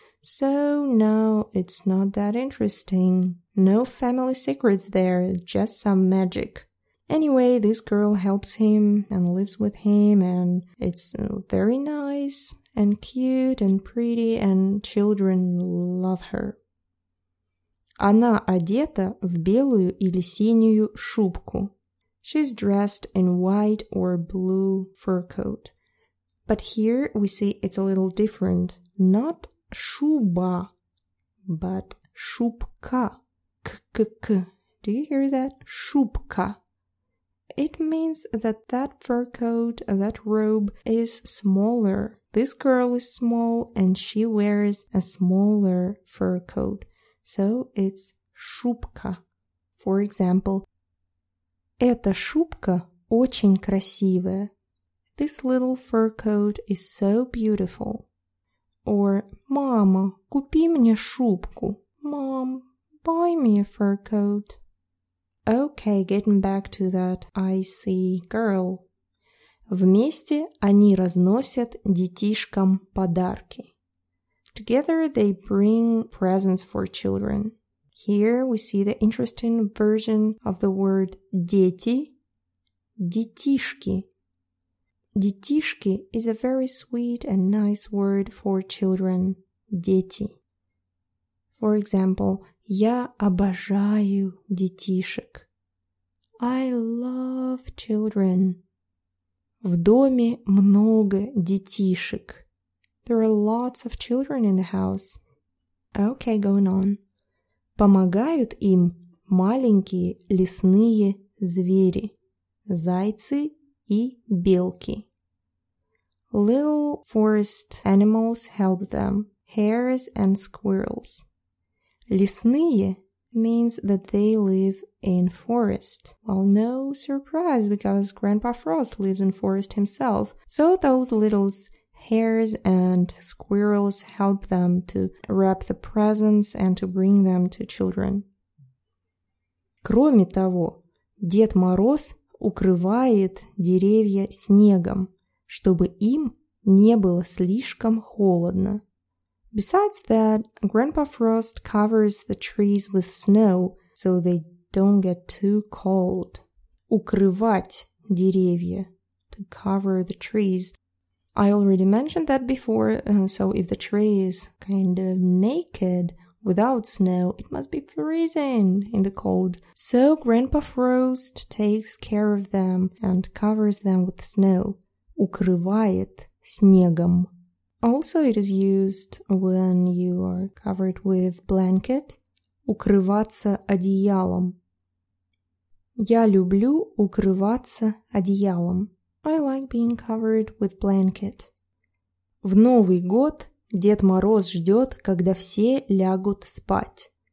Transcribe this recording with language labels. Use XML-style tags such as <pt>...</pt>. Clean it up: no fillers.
<en>So now it's not that interesting. No family secrets there, just some magic. Anyway, this girl helps him and lives with him, and it's very nice and cute and pretty, and children love her.</en> <ru>Она одета в белую или синюю шубку.</ru> <en>She's dressed in white or blue fur coat. But here we see it's a little different. Not шуба, but шубка. К-к-к. Do you hear that? Шубка. It means that that fur coat, that robe, is smaller. This girl is small and she wears a smaller fur coat. So it's шубка. For example,</en> <ru>эта шубка очень красивая.</ru> <en>This little fur coat is so beautiful.</en> <ru>Or, мама, купи мне шубку.</ru> <en>Mom, buy me a fur coat. Okay, getting back to that icy girl.</en> <ru>Вместе они разносят детишкам подарки.</ru> <en>Together they bring presents for children. Here we see the interesting version of the word дети.</en> <ru>Детишки.</ru> <en>Детишки is a very sweet and nice word for children. Дети. For example,</en> <ru>я обожаю детишек.</ru> <en>I love children.</en> <ru>В доме много детишек.</ru> <en>There are lots of children in the house. Okay, going on.</en> <ru>Помогают им маленькие лесные звери. Зайцы и белки.</ru> <en>little forest animals help them, hares and squirrels. Лесные means that they live in forest. Well, no surprise, because Grandpa Frost lives in forest himself. So those little hares and squirrels help them to wrap the presents and to bring them to children.</en> <ru>Кроме того, Дед Мороз укрывает деревья снегом, чтобы им не было слишком холодно.</ru> <en>Besides that, Grandpa Frost covers the trees with snow, so they don't get too cold.</en> <ru>Укрывать деревья,</ru> <en>to cover the trees. I already mentioned that before, so if the tree is kind of naked, without snow, it must be freezing in the cold. So Grandpa Frost takes care of them and covers them with snow.</en> <ru>Укрывает снегом.</ru> <en>Also, it is used when you are covered with blanket.</en> <ru>Укрываться одеялом. Я люблю укрываться одеялом.</ru> <en>I like being covered with blanket.</en> <ru>В Новый год Дед Мороз ждет, когда все лягут спать.</ru>